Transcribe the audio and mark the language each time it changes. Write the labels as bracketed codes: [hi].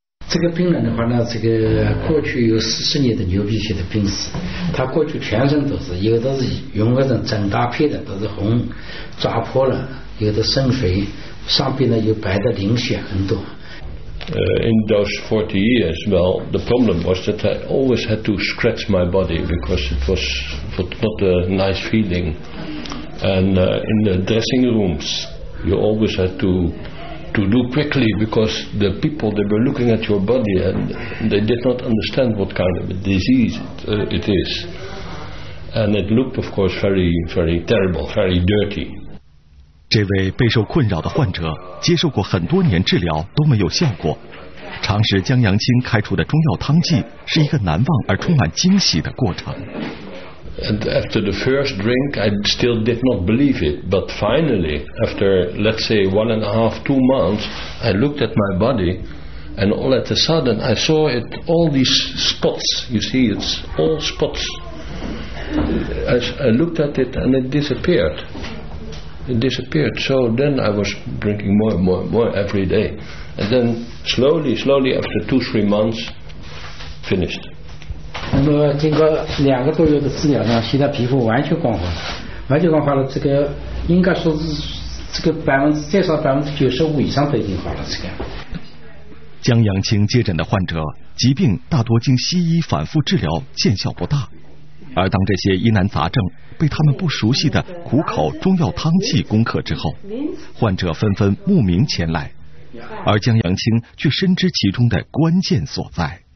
[zh] 这个病人的话呢，这个过去有40年的牛皮癣的病史，他过去全身都是，有的是云纹症，整大片的都是红，抓破了，有的渗水，上边呢有白的鳞癣很多。 [en] In those 40 years, well, the problem was that I always had to scratch my body because it was not a nice feeling. And in the dressing rooms, you always had to do quickly because the people they were looking at your body and they did not understand what kind of a disease it is, and it looked of course very very terrible, very dirty. [zh] 这位备受困扰的患者接受过很多年治疗都没有效果，尝试江阳青开出的中药汤剂是一个难忘而充满惊喜的过程。 [en] And after the first drink, I still did not believe it. But finally, after, let's say, 1.5-2 months, I looked at my body, and all at a sudden, I saw it, all these spots. You see, it's all spots. I looked at it, and it disappeared. It disappeared. So then I was drinking more and more and more every day. And then slowly, slowly, after 2-3 months, finished. [zh] 那么经过2个多月的治疗呢，现在皮肤完全光滑了，这个应该说是这个百分之至少95%以上都已经好了。这个江阳青接诊的患者疾病大多经西医反复治疗见效不大，而当这些疑难杂症被他们不熟悉的苦口中药汤剂攻克之后，患者纷纷慕名前来，而江阳青却深知其中的关键所在。